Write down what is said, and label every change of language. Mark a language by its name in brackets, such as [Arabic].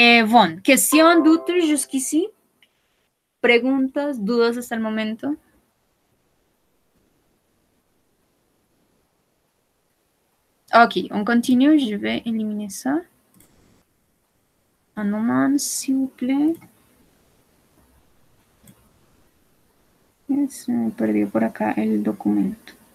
[French] Bon, question, doute jusqu'ici? [Spanish] Preguntas, dudas hasta el momento? [French] Ok, on continue, je vais éliminer ça. Un moment, s'il vous plaît. [Spanish] Se me perdió por acá el documento.